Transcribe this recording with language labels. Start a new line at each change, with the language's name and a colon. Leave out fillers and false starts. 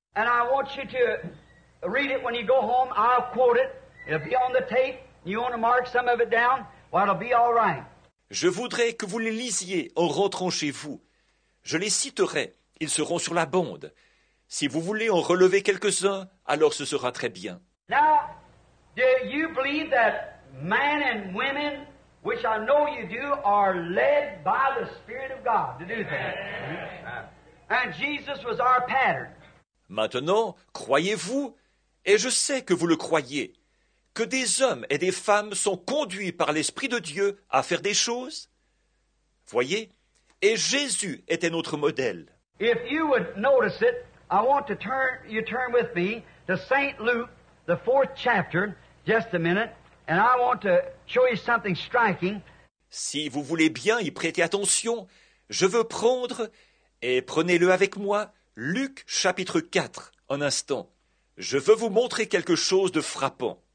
English: And I want you to read it when you go home. I'll quote it. It'll be on the tape. You want to mark some of it down? Well, it'll be all right.
French: Je voudrais que vous les lisiez en rentrant chez vous. Je les citerai, ils seront sur la bande. Si vous voulez en relever quelques-uns, alors ce sera très bien.
English: Now, do you believe that man and women which I know you do, are led by the Spirit of God to do that. And Jesus was our pattern.
French: Maintenant, croyez-vous, et je sais que vous le croyez, que des hommes et des femmes sont conduits par l'Esprit de Dieu à faire des choses? Voyez, et Jésus était notre modèle.
English: If you would notice it, I want to turn, you turn with me to St. Luke, the 4th chapter, just a minute, and I want to show you something striking.
French: Si vous voulez bien y prêter attention, je veux prendre, et prenez-le avec moi, Luc chapitre 4, un instant. Je veux vous montrer quelque chose de frappant.